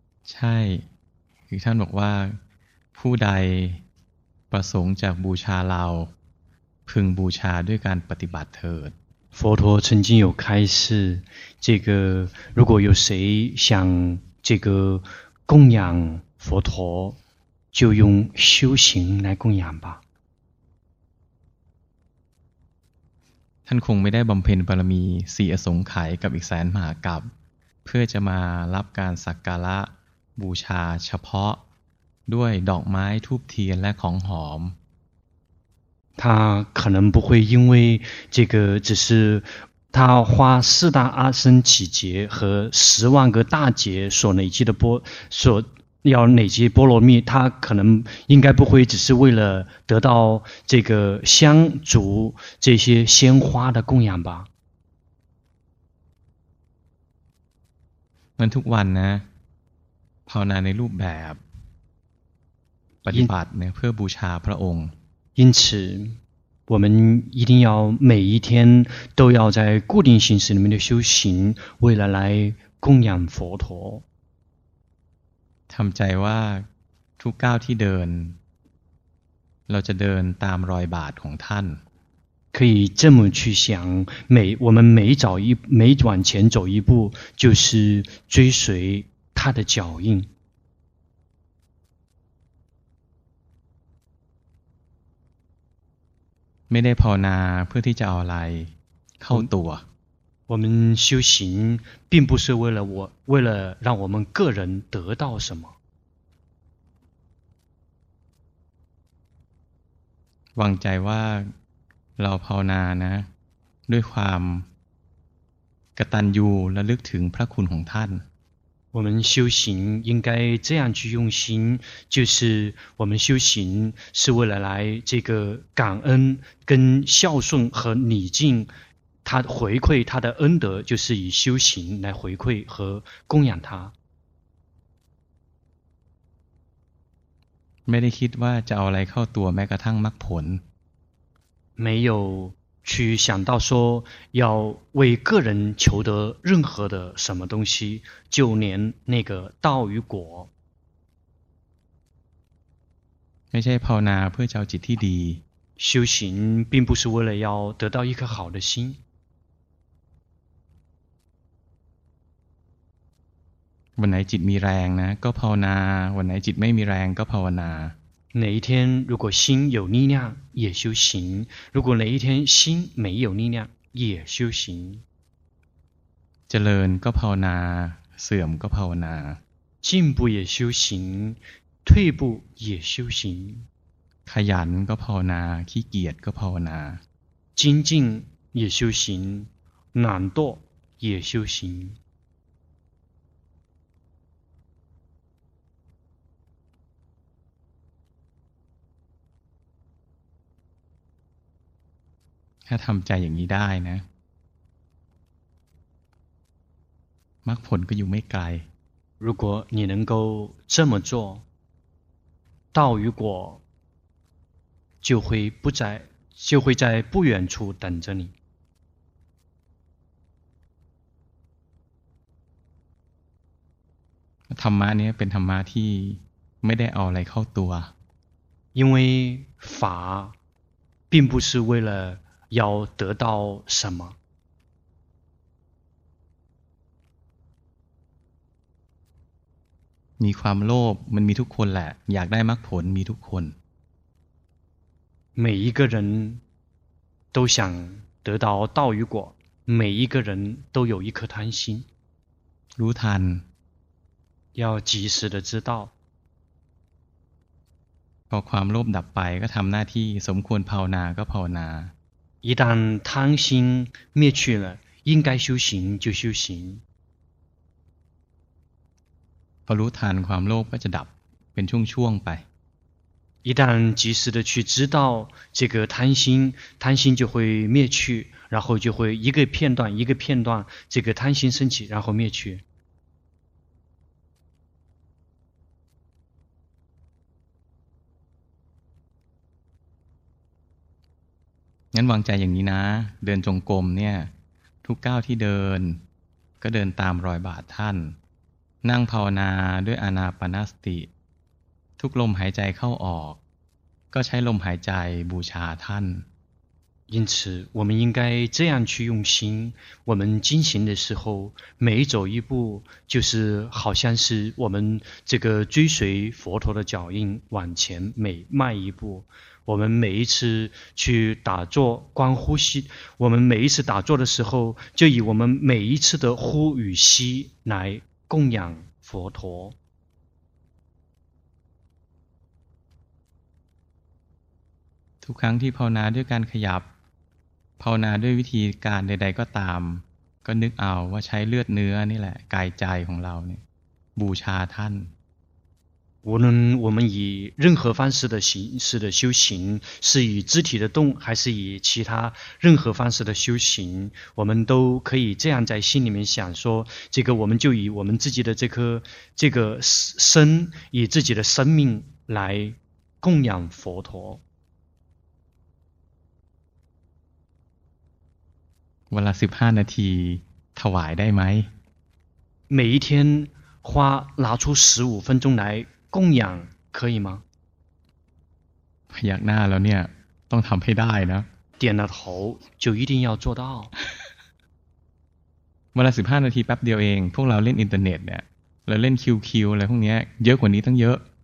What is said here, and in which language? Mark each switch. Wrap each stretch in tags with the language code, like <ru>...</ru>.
<th>ใช่คือท่านบอกว่าผู้ใดประสงค์จะบูชาเรา พึงบูชาด้วยการปฏิบัติเถิด</th> <zh>佛陀曾经有开示，这个如果有谁想这个供养佛陀，就用修行来供养吧。</zh> <th>ท่านคงไม่ได้บำเพ็ญบารมีสี่อสงไขยกับอีกแสนมหากัปเพื่อจะมารับการสักการะบูชาเฉพาะด้วยดอกไม้ธูปเทียนและของหอม</th> <zh>他可能不会因为这个只是他花四大阿僧祇劫和十万个大劫所累积的波所要累积波罗蜜他可能应该不会只是为了得到这个香烛这些鲜花的供养吧</zh> <th>มันทุกวันนะภาวนาในรูปแบบปฏิบัติเนี่ยเพื่อบูชาพระองค์</th> <zh>因此我们一定要每一天都要在固定形式里面的修行为了来供养佛陀</zh> <th>ทำใจว่าทุกก้าวที่เดินเราจะเดินตามรอยบาทของท่าน</th> <zh>可以这么去想每我们每走一每往前走一步就是追随他的脚印</zh> <th>ไม่ได้ภาวนาเพื่อที่จะเอาอะไรเข้าตัว</th> <zh>我们修行并不是为了我为了让我们个人得到什么</zh> <th>หวังใจว่าเราภาวนานะด้วยความกตัญญูและลึกถึงพระคุณของท่าน</th> <zh>我们修行应该这样去用心就是我们修行是为了来这个感恩跟孝顺和礼敬他回馈他的恩德就是以修行来回馈和供养他</zh> <th>ไม่ได้คิดว่าจะเอาอะไรเข้าตัวแม้กระทั่งมรรคผล</th> <zh>没有去想到说要为个人求得任何的什么东西就连那个道与果</zh> <th>ไม่ใช่ภาวนาเพื่อเจ้าจิตที่ดี</th> <zh>修行并不是为了要得到一颗好的心</zh> <th>วันไหนจิตมีแรงนะก็ภาวนาวันไหนจิตไม่มีแรงก็ภาวนา</th> <zh>哪一天如果心有力量也修行如果哪一天心没有力量也修行</zh> <th>เจริญก็ภาวนาเสื่อมก็ภาวนา</th> <zh>进步也修行退步也修行</zh> <th>ขยันก็ภาวนาขี้เกียจก็ภาวนา</th> <zh>精进也修行懒惰也修行</zh> <th>ถ้าทำใจอย่างนี้ได้นะมรรคผลก็อยู่ไม่ไกล</th> <zh>如果你能够这么做道与果就会不在就会在不远处等着你</zh> <th>ธรรมะนี้เป็นธรรมะที่ไม่ได้เอาอะไรเข้าตัว</th> <zh>因为法并不是为了要得到什么</zh> <th>มีความโลภมันมีทุกคนแหละอยากได้มรรคผลมีทุกคน</th> <zh>每一个人都想得到道与果每一个人都有一颗贪心</zh> <th>รู้ทัน</th> <zh>要及时的知道</zh> <th>พอความโลภดับไปก็ทำหน้าที่สมควรภาวนาก็ภาวนา</th> <zh>一旦贪心灭去了应该修行就修行</zh> <th>พอรู้ทันความโลภก็จะดับเป็นช่วงๆไป</th> <zh>一旦及时的去知道这个贪心就会灭去然后就会一个片段这个贪心升起然后灭去</zh> <th>งั้นวางใจอย่างนี้นะเดินจงกรมเนี่ยทุกก้าวที่เดินก็เดินตามรอยบาทท่านนั่งภาวนาด้วยอานาปานสติทุกลมหายใจเข้าออกก็ใช้ลมหายใจบูชาท่าน</th> <zh>因此我们应该这样去用心，我们进行的时候每走一步就是好像是我们这个追随佛陀的脚印往前每迈一步，我们每一次去打坐观呼吸，我们每一次打坐的时候就以我们每一次的呼与吸来供养佛陀。</zh> <th>ทุกครั้งที่ภาวนาด้วยการขยับภาวนาด้วยวิธีการใดๆก็ตามก็นึกเอาว่าใช้เลือดเนื้อนี่แหละกายใจของเราเนี่ยบูชาท่าน</th> <zh>无论我们以任何方式的形式的修行，是以肢体的动，还是以其他任何方式的修行，我们都可以这样在心里面想说：这个我们就以我们自己的这颗这个身，以自己的生命来供养佛陀。</zh> <th>เวลา15นาทีถวายได้ไหม</th> <zh>每一天花拿出15分钟来供养可以吗</zh> <th>พยักหน้าแล้วเนี่ยต้องทำให้ได้นะ</th> <zh>点了头就一定要做到</zh> <th>เวลา15นาทีแป๊บเดียวเองพวกเราเล่นอินเทอร์เน็ตเนี่ยเราเล่น QQ อะไรพวกนี้เยอะกว่านี้ตั้งเยอะ</th>